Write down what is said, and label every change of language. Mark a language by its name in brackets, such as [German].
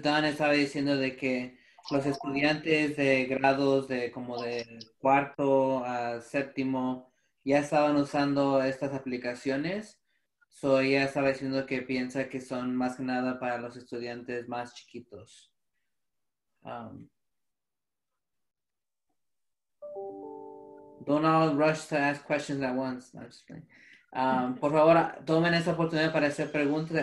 [Spanish] Dunn estaba diciendo de que los estudiantes de grados de como de cuarto a séptimo ya estaban usando estas aplicaciones. So ella estaba diciendo que piensa que son más que nada para los estudiantes más chiquitos. [English] Don't all rush to ask questions at once. No, just kidding. [Spanish] Por favor, tomen esta oportunidad para hacer preguntas.